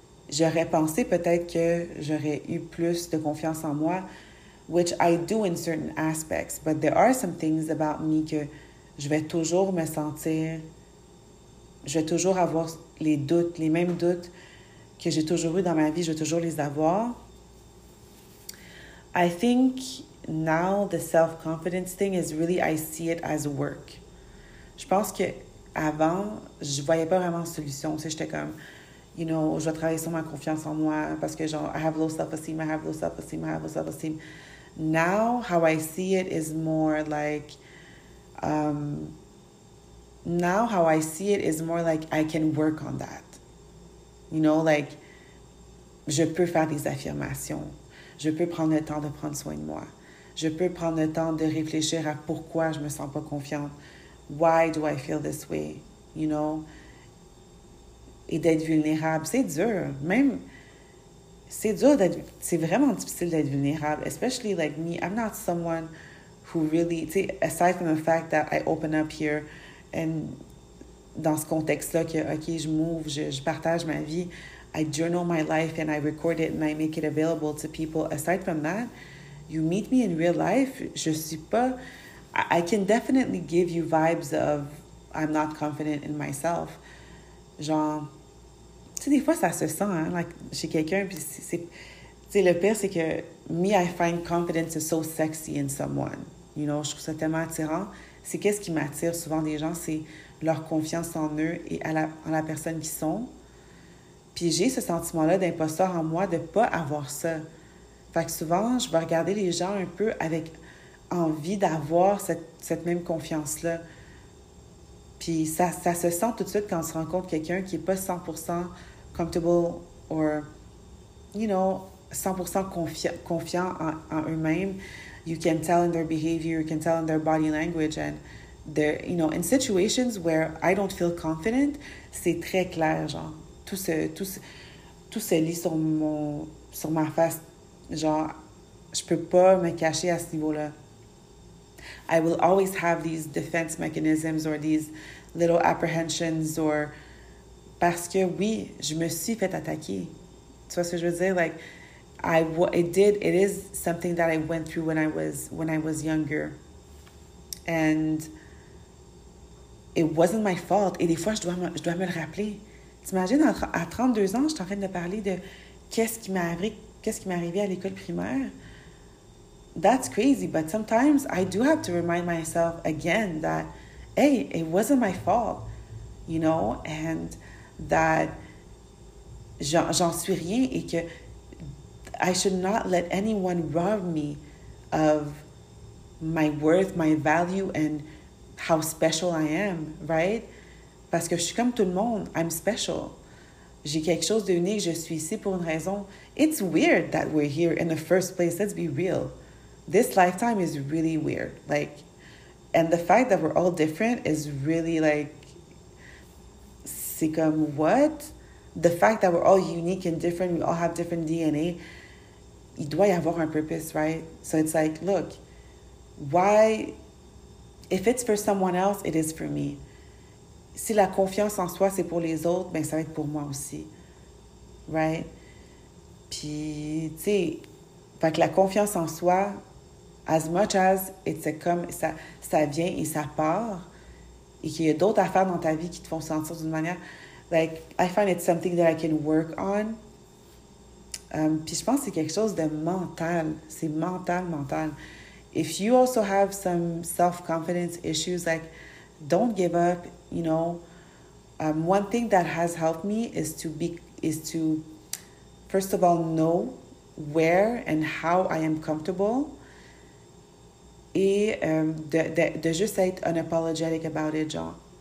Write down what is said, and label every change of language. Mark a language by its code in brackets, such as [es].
[fr] J'aurais pensé peut-être que j'aurais eu plus de confiance en moi, [en] which I do in certain aspects, but there are some things about me [fr] que je vais toujours me sentir, je vais toujours avoir les doutes, les mêmes doutes que j'ai toujours eu dans ma vie, je vais toujours les avoir. [en] I think now the self-confidence thing is really, I see it as work. [fr] Je pense que avant, je voyais pas vraiment de solution. Tu sais, j'étais comme, [en] you know, [fr] je vais travailler sur ma confiance en moi parce que genre, [en] I have low self-esteem, [fr] I have low self-esteem, I have low self-esteem. [en] Now, how I see it is more like, I can work on that. You know, like, [fr] je peux faire des affirmations. Je peux prendre le temps de prendre soin de moi. Je peux prendre le temps de réfléchir à pourquoi je me sens pas confiante. [en] Why do I feel this way? You know? [fr] Et d'être vulnérable, c'est dur. Même, c'est dur d'être, c'est vraiment difficile d'être vulnérable. [en] Especially like me, I'm not someone who really, [fr] tu sais, [en] aside from the fact that I open up here and [fr] dans ce contexte-là, que, OK, je m'ouvre, je partage ma vie, [en] I journal my life and I record it and I make it available to people. Aside from that, you meet me in real life, [fr] je suis pas, [en] I can definitely give you vibes of I'm not confident in myself. [fr] Genre, tu sais, des fois, ça se sent, hein, [en] like, [fr] chez quelqu'un, puis c'est, tu sais, le pire, c'est que me, [en] I find confidence is so sexy in someone. You know, [fr] je trouve ça tellement attirant. C'est qu'est-ce qui m'attire souvent des gens, c'est leur confiance en eux et en la personne qu'ils sont. Puis j'ai ce sentiment-là d'imposteur en moi de pas avoir ça. Fait que souvent, je vais regarder les gens un peu avec envie d'avoir cette même confiance-là. Puis ça se sent tout de suite quand on se rencontre quelqu'un qui n'est pas 100% [en] comfortable or, you know, [fr] 100% confiant en eux-mêmes. [en] You can tell in their behavior, you can tell in their body language. And, you know, in situations where I don't feel confident, [fr] c'est très clair, genre. Tout se lit sur ma face. Genre, je peux pas me cacher à ce niveau-là. [en] I will always have these defense mechanisms or these little apprehensions or... [fr] Parce que, oui, je me suis fait attaquer. Tu vois ce que je veux dire? [en] Like, it is something that I went through when I was younger. And it wasn't my fault. [fr] Et des fois, je dois me le rappeler. T'imagines, à 32 ans, je suis en train de parler de qu'est-ce qui m'est arrivé à l'école primaire. [en] That's crazy, but sometimes I do have to remind myself again that, hey, it wasn't my fault, you know, and that [fr] j'en suis rien et que [en] I should not let anyone rob me of my worth, my value, and how special I am, right? [fr] Parce que je suis comme tout le monde. [en] I'm special. [fr] J'ai quelque chose d'unique. Je suis ici pour une raison. [en] It's weird that we're here in the first place. Let's be real. This lifetime is really weird. Like, and the fact that we're all different is really like, [fr] c'est comme [en] what? The fact that we're all unique and different, we all have different DNA, [fr] il doit y avoir un [en] purpose, right? So it's like, look, why, if it's for someone else, it is for me. [fr] Si la confiance en soi, c'est pour les autres, ben ça va être pour moi aussi. [en] Right? [fr] Puis, tu sais, fait que la confiance en soi, [en] as much as it's a [fr] comme ça vient et ça part, et qu'il y a d'autres affaires dans ta vie qui te font sentir d'une manière, like, [en] I find it's something that I can work on. [fr] Puis je pense que c'est quelque chose de mental. C'est mental, mental. [en] If you also have some self-confidence issues, like, don't give up. You know, one thing that has helped me is to first of all know where and how I am comfortable, [fr] et de juste être [en] unapologetic about it, [fr] genre.